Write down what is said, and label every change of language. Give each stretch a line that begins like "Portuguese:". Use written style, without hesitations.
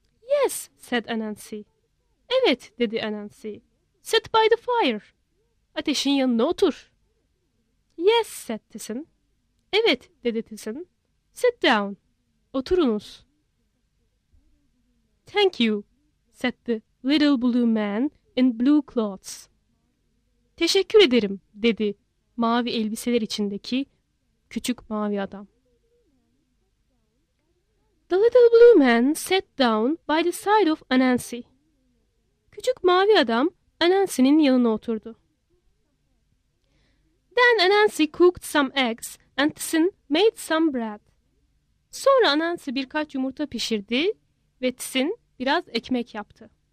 English: Yes, said Anansi.
Turkish: Evet, dedi Anansi.
English: Sit by the fire.
Turkish: Ateşin yanına otur.
English: Yes, said Tisin.
Turkish: Evet, dedi Tisin.
English: Sit down.
Turkish: Oturunuz.
English: Thank you, said the little blue man in blue clothes.
Turkish: Teşekkür ederim, dedi mavi elbiseler içindeki küçük mavi adam.
English: The little blue man sat down by the side of Anansi.
Turkish: Küçük mavi adam Anansi'nin yanına oturdu.
English: Then Anansi cooked some eggs and Tisin made some bread.
Turkish: Sonra Anansi birkaç yumurta pişirdi ve Tisin biraz ekmek yaptı.